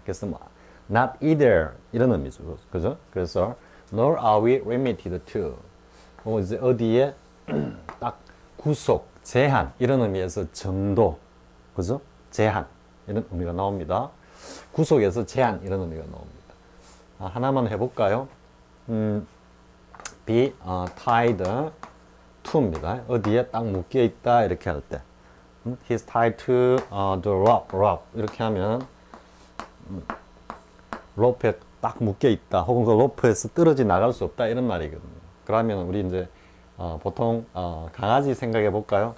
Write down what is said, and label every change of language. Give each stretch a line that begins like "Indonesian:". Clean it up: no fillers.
Korean: 그래서 뭐,
English: not either
Korean: 이런 의미죠. 그죠? 그래서
English: nor are we limited to
Korean: 뭐 이제 어디에 딱 구속, 제한 이런 의미에서 정도, 그죠? 제한 이런 의미가 나옵니다. 구속에서 제한 이런 의미가 나옵니다. 하나만 해볼까요?
English: be tied to입니다.
Korean: 어디에 딱 묶여 있다 이렇게 할 때.
English: He's tied to the rope.
Korean: Rope 이렇게 하면 로프에 딱 묶여 있다. 혹은 그 로프에서 떨어져 나갈 수 없다 이런 말이거든요. 그러면 우리 이제 보통 강아지 생각해 볼까요?